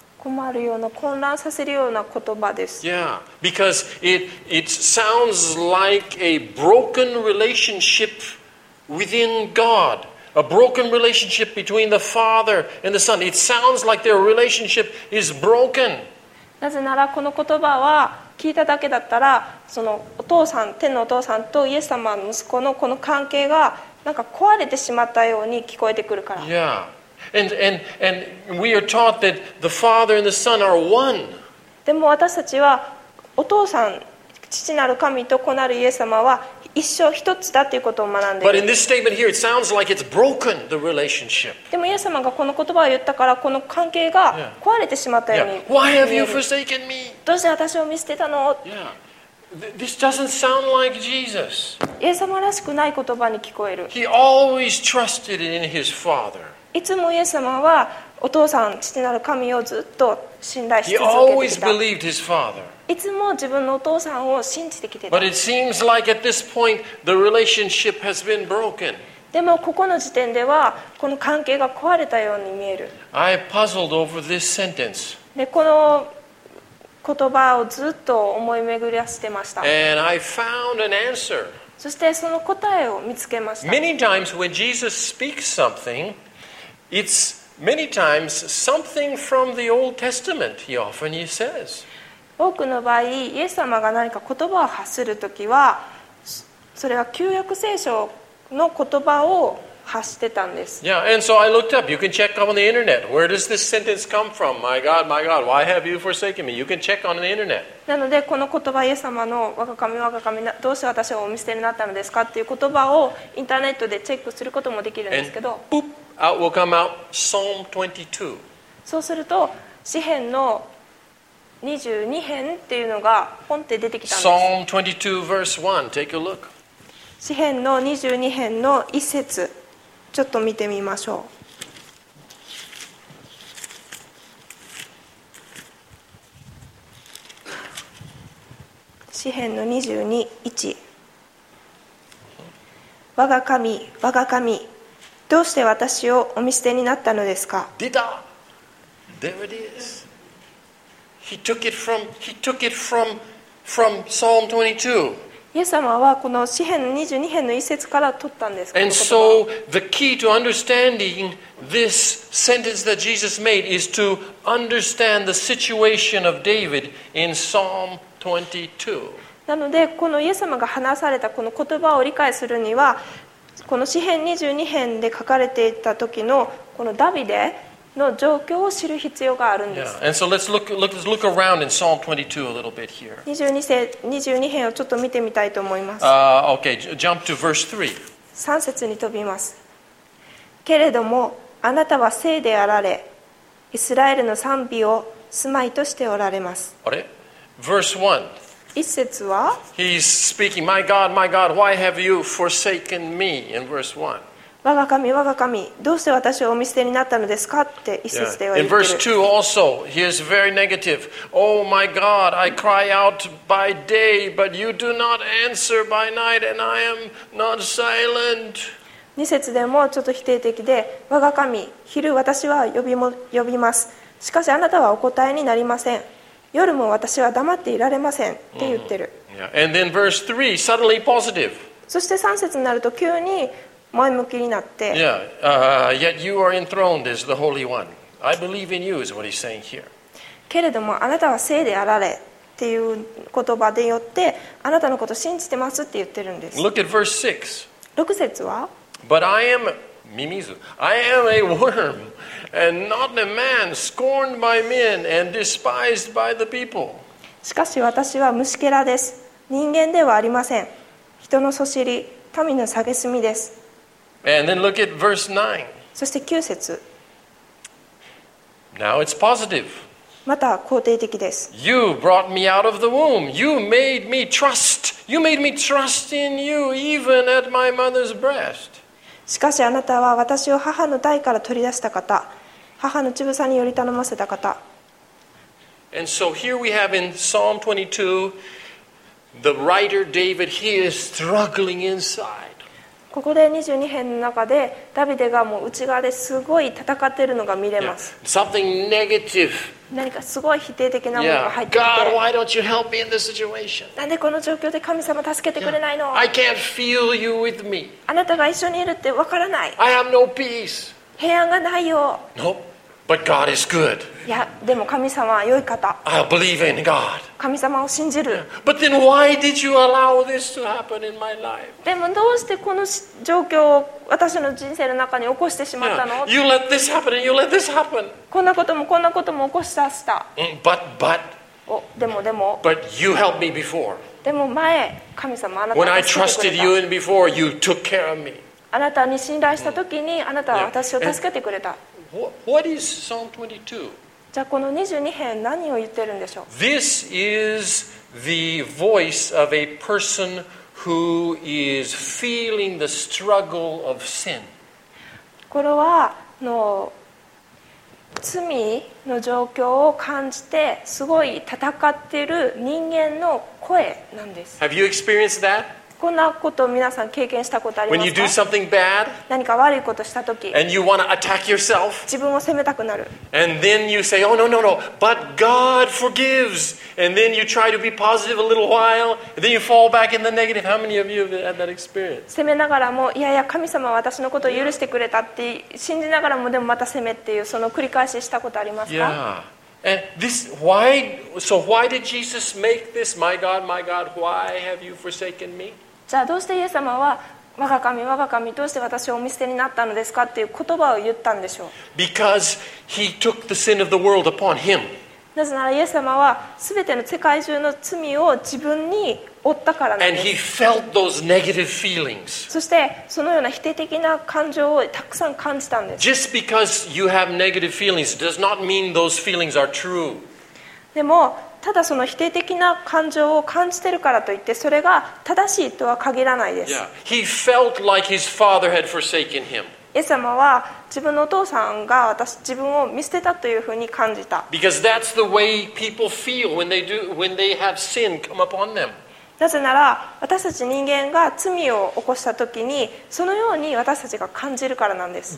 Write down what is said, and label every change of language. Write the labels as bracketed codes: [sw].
[ja] 困るような混乱させるような言葉です。 [en] Yeah, because it sounds like a broken relationship within God, a broken relationship between the Father and the Son. It sounds like their relationship is broken. [ja] なぜならこの言葉は聞いただけだったらそのお父さん天のお父さんとイエス様の息子のこの関係がなんか壊れてしまったように聞こえてくるから。 [en] Yeah. And we are taught that the Father and the Son are one. [ja] でも私たちはお父さん、父なる神と子なるイエス様は一生一つだということを学んでいる。 [en] But in this statement here, it sounds like it's broken, the relationship. [ja] でもイエス様がこの言葉を言ったからこの関係が壊れてしまったように。 [en] Yeah. Why have you forsaken me? [ja] どうして私を見捨てたの？ [en] Yeah. This doesn't sound like Jesus. [ja] イエス様らしくない言葉に聞こえる。 [en] He always trusted in his Father. [ja] いつもイエス様はお父さん、父なる神をずっと信頼し続けてきた。 [en] He always believed his Father. [ja] いつも自分のお父さんを信じてきてた。 [en] But it seems like at this point the relationship has been broken. [ja] でもここの時点ではこの関係が壊れたように見える。 [en] I puzzled over this sentence. [ja] でこの言葉をずっと思い巡りやしてました。 [en] And I found an answer. [ja] そしてその答えを見つけました。 [en] Many times when Jesus speaks something, it's many times something from the Old Testament, he often says. [ja] 多くの場合、イエス様が何か言葉を発するときは、それは旧約聖書の言葉を発してたんです。 [en] Yeah, and so I looked up. You can check on the internet. Where does this sentence come from? My God, my God, why have you forsaken me? You can check on the internet. [ja] なので、この言葉、イエス様の我が神、我が神、どうして私をお見捨てになったのですかっていう言葉をインターネットでチェックすることもできるんですけど。 [en] And boop, out will come out Psalm 22. [ja] そうすると、詩編の22編っていうのがポンって出てきたんです。 [en] Psalm 22 verse 1. Take a look. [ja] 詩編の22編の一節。ちょっと見てみましょう。詩編の22:1。我が神、我が神、どうして私をお見捨てになったのですか。出た。 [en] There it is. He took it from Psalm 22. [ja] イエス様はこの詩編の22編の一節から取ったんです。 [en] And so the key to understanding this sentence that Jesus made is to understand the situation of David in Psalm 22. [ja] なのでこのイエス様が話されたこの言葉を理解するにはこの詩編22編で書かれていた時のこのダビデの状況を知る必要があるんです。 [en] Yeah. And so let's look around in Psalm 22 a little bit here. [ja] 22編をちょっと見てみたいと思います。 [en] Okay, jump to verse 3. [ja] 3節に飛びます。けれども、あなたは聖であられ、イスラエルの賛美を住まいとしておられます。あれ ?Verse 1。一節は [en] He's speaking, My God, my God, why have you forsaken me? In verse 1. [ja] 我が神、我が神、どうして私をお見捨てになったのですかって一節では言ってる。Yeah. [en] In verse 2 also, he is very negative. Oh my God, I cry out by day, but you do not answer by night, and I am not silent. [ja] 二節でもちょっと否定的で、我が神、昼私は呼びます。しかしあなたはお答えになりません。夜も私は黙っていられませんって言ってる。 [en] Yeah. And then verse 3, suddenly positive. [ja] そして三節になると急に、前向きになって。 [en] Yeah, yet you are enthroned as the Holy One. I believe in you is what he's saying here. [ja] けれどもあなたは聖であられっていう言葉でよってあなたのことを信じてますって言ってるんです。 [en] Look at verse 6. [ja] 六節は。 [en] But I am Mimizu. I am a worm and not a man scorned by men and despised by the people. [ja] しかし私は虫けらです。人間ではありません。人のそしり、民の蔑みです。 [en] And then look at verse 9. [ja] そして9節。 [en] Now it's positive. [ja] また肯定的です。 [en] You brought me out of the womb. You made me trust. You made me trust in you even at my mother's breast. [ja] しかしあなたは私を母の胎から取り出した方、母の乳房により頼ませた方。 [en] And so here we have in Psalm 22, the writer David, he is struggling inside. [ja] ここで22編の中でダビデがもう内側ですごい戦っているのが見れます。 [en] Yeah. Something negative. [ja] 何かすごい否定的なものが入ってきて。 [en] Yeah. God, why don't you help me in this situation? [ja] なんでこの状況で神様助けてくれないの? [en] Yeah. I can't feel you with me. [ja] あなたが一緒にいるってわからない。 [en] I have no peace. [ja] 平安がないよ。 [en] Nope. But God is good. [ja] いや、でも神様は良い方。 [en] I believe in God. [ja] 神様を信じる。 [en] But then why did you allow this to happen in my life? [ja] でもどうしてこの状況を私の人生の中に起こしてしまったの? [en] You let this happen and you let this happen. [ja] こんなこともこんなことも起こしさせた。 [en] But. [ja] お、でもでも。 [en] But you helped me before. [ja] でも前、神様あなたが助けてくれた。 [en] When I trusted you in before, you took care of me. [ja] あなたに信頼した時にあなたは私を助けてくれた。 [en] What is Psalm 22? [ja] じゃあこの22編何を言ってるんでしょう? [en] This is the voice of a person who is feeling the struggle of sin. [ja] これはの罪の状況を感じてすごい戦っている人間の声なんです。 [en] Have you experienced that? [ja] こんなことを皆さん経験したことありますか? [en] When you do something bad, [ja] 何か悪いことしたとき [en] and you want to attack yourself, [ja] 自分を責めたくなる。 [en] And then you say, oh, no, no, no, but God forgives. And then you try to be positive a little while, and then you fall back in the negative. How many of you have had that experience? [ja] 責めながらも、いやいや、神様は私のことを許してくれたって信じながらも、でもまた責めっていう、その繰り返ししたことありますか? [en] Yeah. And this, why, so why did Jesus make this? My God, why have you forsaken me? [ja] じゃあどうしてイエス様は我が神、我が神、どうして私をお見捨てになったのですかっていう言葉を言ったんでしょう? [en] Because he took the sin of the world upon him. [ja] なぜならイエス様は全ての世界中の罪を自分に負ったからなんです。 [en] And he felt those negative feelings. [ja] そしてそのような否定的な感情をたくさん感じたんです。 [en] Just because you have negative feelings does not mean those feelings are true. [ja] でもただその否定的な感情を感じてるからといってそれが正しいとは限らないです。 [en] Yeah. He felt like his father had forsaken him. [ja] イエス様は自分のお父さんが私自分を見捨てたというふうに感じた。 [en] Because that's the way people feel when they do when they have sin come upon them. [ja] なぜなら私たち人間が罪を起こしたときにそのように私たちが感じるからなんです。